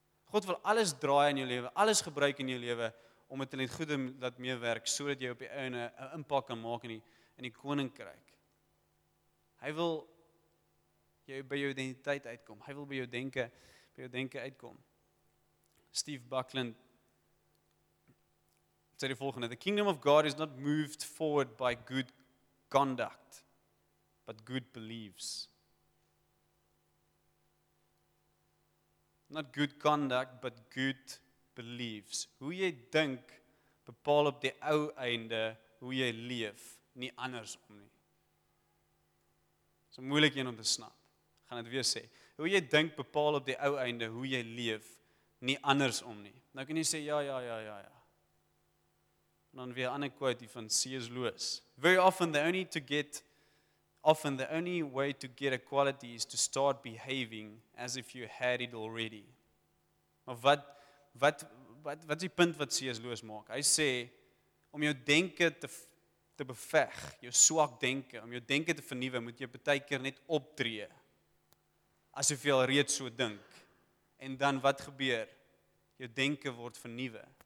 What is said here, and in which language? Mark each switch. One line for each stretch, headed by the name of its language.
Afrikaans: God wil alles draai in jou lewe, alles gebruik in jou lewe, om dit net goed te laat meewerk, so dat jy op die einde 'n impak kan maak in die koninkryk. Hy wil jou by jou identiteit uitkom. Hy wil by jou denke uitkom. Steve Buckland sê die volgende:
English: The kingdom of God is not moved forward by good conduct, but good beliefs. Not good conduct, but good beliefs.
Afrikaans: Hoe jy dink, bepaal op die ou einde hoe jy leef, nie andersom nie. Dis 'n moeilike een om te snap. Gaan dit weer sê. Hoe jy dink, bepaal op die ou einde hoe jy leef, nie andersom nie. Nou kan jy sê, ja. En dan weer 'n ander quote hier van C.S. Lewis.
English: Very often the only way to get a quality is to start behaving as if you had it already.
Afrikaans: Maar wat is die punt wat C.S. Lewis maak? Hy sê, om jou denke te beveg, jou swak denke, om jou denke te vernuwe, moet jy baie keer net optree, asof jy al reeds so dink. En dan wat gebeur? Jou denke word vernuwe.